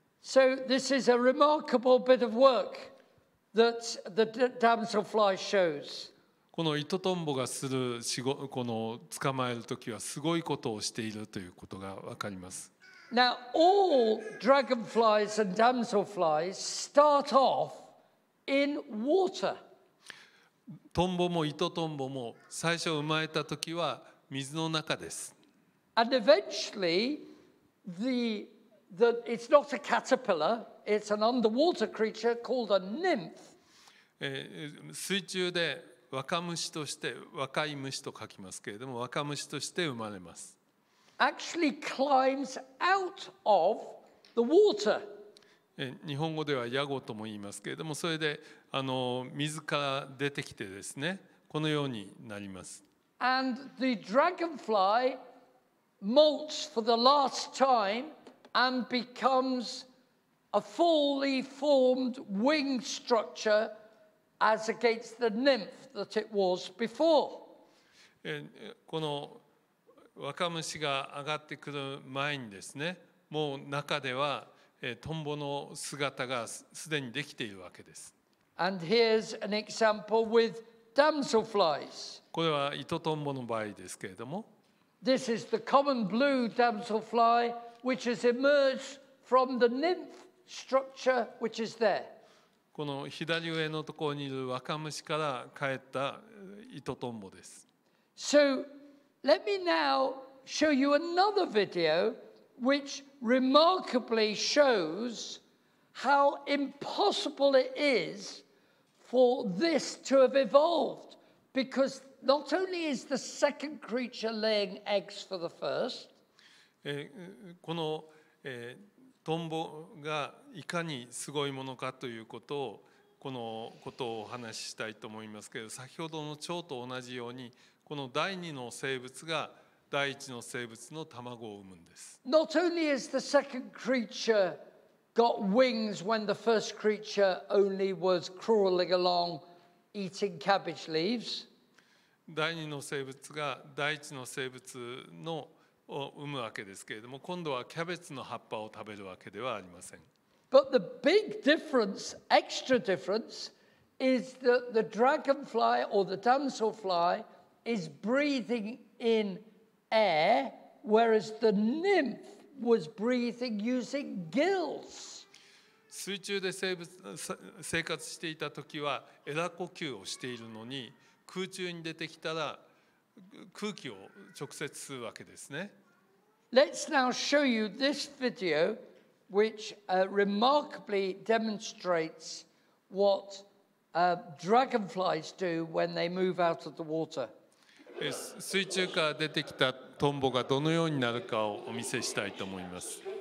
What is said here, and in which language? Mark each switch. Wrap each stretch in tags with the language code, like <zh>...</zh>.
<en>So this is a remarkable bit of work. the damselfly shows.</en> <ja>この糸トンボがするこの捕まえるときはすごいことをしているということがわかります。</ja> <en>Now all dragonflies and damselflies start off in water.</en> <ja>トンボも糸トンボも最初生まれたときは水の中です。</ja> <en>And eventually the it's not a caterpillar. It's an underwater creature called a nymph.</en> <ja>水中で若虫として若い虫と書きますけれども若虫として生まれます。</ja> <en>Actually climbs out of the water.</en> <ja>日本語ではヤゴとも言いますけれどもそれで水から出てきてですねこのようになります。</ja> <en>And the dragonfly molts for the last time and becomes. A fully formed wing structure, as against the nymph that it was before.</en> <ja>この若虫が上がってくる前にですね、もう中ではトンボの姿がすでにできているわけです。</ja> <en>And here's an example with damselflies.</en> <ja>これは糸トンボの場合ですけれども。</ja> <en>This is the common blue damselfly, which has emerged from the nymph. Structure which is there.</en> <ja>この左上のところにいる若虫から帰った糸トンボです。</ja> <en>So let me now show you another video which remarkably shows how impossible it is for this to have evolved because not only is the second creature laying eggs for the first.</en> <ja>このトンボがいかにすごいものかということをこのことをお話ししたいと思いますけど先ほどの蝶と同じようにこの第二の生物が第一の生物の卵を産むんです。</ja> <en>Not only is the second creature got wings when the first creature only was crawling along eating cabbage leaves.</en> <ja>第二の生物が第一の生物のを産むわけですけれども今度はキャベツの葉っぱを食べるわけではありません。</ja> <en>But the big difference, extra difference, is that the dragonfly or the damselfly is breathing in air, whereas the nymph was breathing using gills.</en> <ja>水中で生活していたときはエラ呼吸をしているのに空中に出てきたら空気を直接吸うわけですね。</ja> <en>Let's now show you this video, which remarkably demonstrates what dragonflies do when they move out of the water.</en> <ja>水中から出てきたトンボがどのようになるかをお見せしたいと思います。</ja>